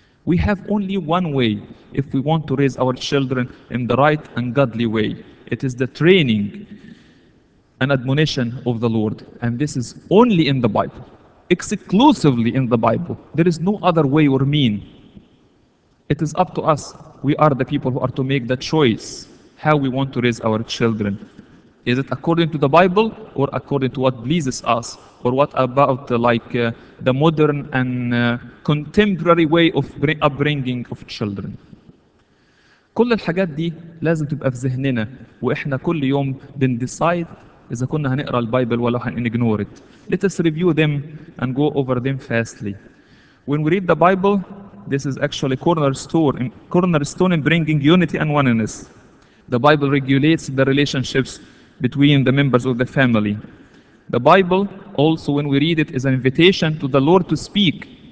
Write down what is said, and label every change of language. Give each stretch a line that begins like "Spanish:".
English: We have only one way if we want to raise our children in the right and godly way It is the training and admonition of the Lord and this is only in the Bible exclusively in the Bible There is no other way or mean It is up to us We are the people who are to make the choice how we want to raise our children Is it according to the Bible or according to what pleases us? Or what about like the modern and contemporary way of upbringing of children?
Arabic: كل الحاجات دي لازم تبقى في ذهننا وإحنا كل يوم بنديسايد إذا كنا هنقرأ البايبل ولا هن
English: ignore it. Let us review them and go over them fastly. When we read the Bible, this is actually cornerstone in bringing unity and oneness. The Bible regulates the relationships between the members of the family. The Bible, also when we read it, is an invitation to the Lord to speak